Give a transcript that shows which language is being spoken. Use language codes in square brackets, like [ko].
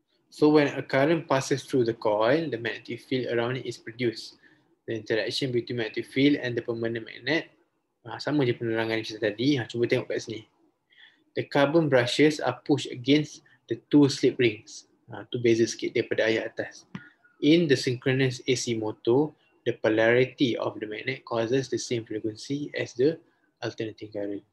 [en] So when a current passes through the coil, the magnetic field around it is produced. The interaction between magnetic field and the permanent magnet. [ms] Sama je penerangan yang kita tadi. Cuba tengok kat sini. [en] The carbon brushes are pushed against the two slip rings. [ms] Tu beza sikit daripada ayat atas. [en] In the synchronous AC motor, the polarity of the magnet causes the same frequency as the alternating current.